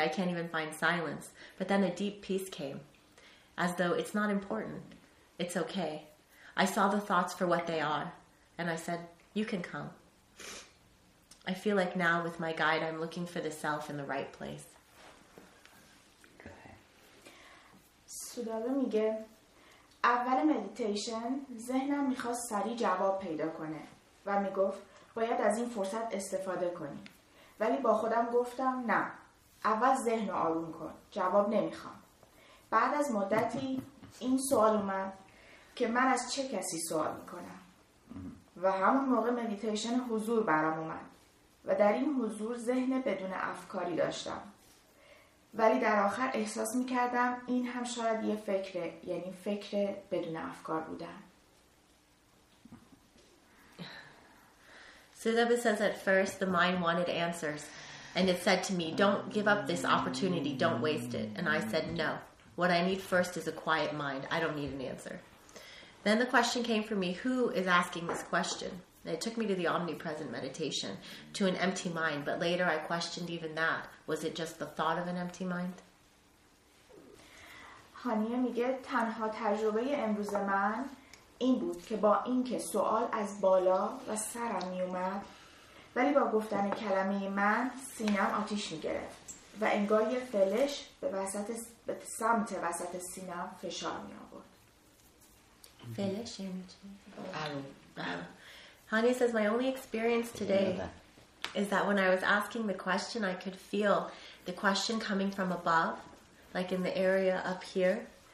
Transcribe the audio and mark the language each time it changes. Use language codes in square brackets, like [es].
[en] I can't even find silence. But then a deep peace came, as though it's not important. It's okay. I saw the thoughts for what they are, and I said, you can come. I feel like now with my guide, I'm looking for the self in the right place. [fa] سودابه میگه اول مدیتیشن ذهنم میخواست سریع جواب پیدا کنه و میگفت باید از این فرصت استفاده کنی، ولی با خودم گفتم نه، اول ذهن رو آروم کن، جواب نمیخوام. بعد از مدتی این سوال اومد که من از چه کسی سوال میکنم، و همون موقع مدیتیشن حضور برام اومد و در این حضور ذهن بدون افکاری داشتم، ولی در آخر احساس میکردم این هم شاید یه فکره، یعنی فکر بدون افکار بودن. [en] Sudhabha says at first the mind wanted answers and it said to me, don't give up this opportunity, don't waste it. And I said, no, what I need first is a quiet mind, I don't need an answer. Then the question came for me, who is asking this question? It took me to the omnipresent meditation, to an empty mind, but later I questioned even that. Was it just the thought of an empty mind? [fa] هانیه میگه تنها تجربه امروز من این بود که با این که سوال از بالا و سرم میومد، ولی با گفتن کلمه من سینم آتیش میگرفت و انگار یه فلش به وسط سمت وسط سینم فشار میآورد. فلش یعنی چی؟ [en] Hani says, my only experience today is that when I was asking the question, I could feel the question coming from above, like in the area up here.